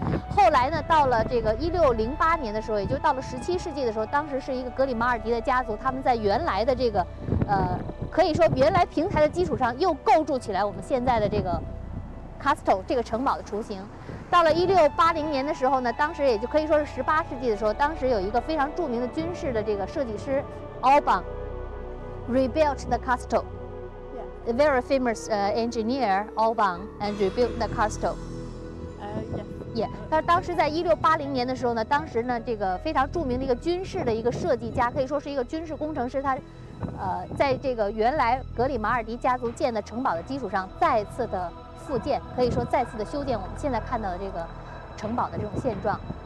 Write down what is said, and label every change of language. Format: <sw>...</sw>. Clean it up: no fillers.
<zh>后来呢，到了这个1608年的时候，也就到了17世纪的时候，当时是一个格里马尔蒂的家族，他们在原来的这个可以说原来平台的基础上又构筑起来我们现在的这个 castle 这个城堡的雏形。到了1680年的时候呢，当时也就可以说是18世纪的时候，当时有一个非常著名的军事的这个设计师 Alban</zh> <en>rebuilt the castle. Yeah. A very famous engineer Alban and rebuilt the castle. Yeah.</en> <zh>他当时在1680年的时候呢，当时呢这个非常著名的一个军事的一个设计家，可以说是一个军事工程师，他在这个原来格里马尔迪家族建的城堡的基础上再次的复建，可以说再次的修建我们现在看到的这个城堡的这种现状。</zh>